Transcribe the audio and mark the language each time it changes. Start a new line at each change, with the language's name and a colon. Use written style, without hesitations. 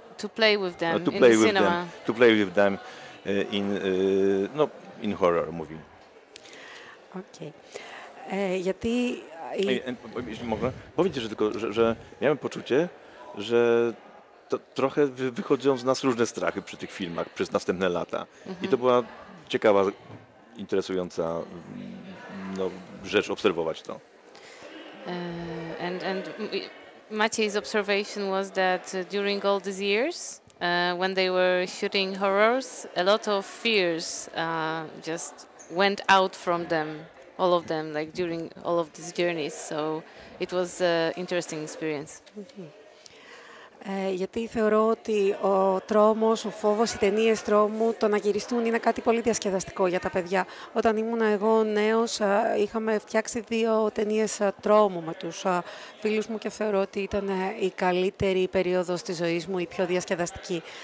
English: To play with them to play in the cinema. To play with them in, no, in horror movie. Okej. Okay. Γιατί...
Polish: Mogę powiedzieć, że tylko, że miałem poczucie, że to trochę wychodzą z nas różne strachy przy tych filmach przez następne lata. Mm-hmm. I to była ciekawa, interesująca no, rzecz obserwować to.
English: And Maciej's observation was that during all these years, when they were shooting horrors, a lot of fears just went out from them, all of them, like during all of these journeys. So it was an interesting experience.
Greek: Γιατί θεωρώ ότι ο τρόμος, ο φόβος, οι ταινίες τρόμου, το να γυριστούν είναι κάτι πολύ διασκεδαστικό για τα παιδιά. Όταν ήμουν εγώ νέος, είχαμε φτιάξει δύο ταινίες τρόμου με τους φίλους μου και θεωρώ ότι ήταν η καλύτερη περίοδος της ζωής μου, η πιο διασκεδαστική.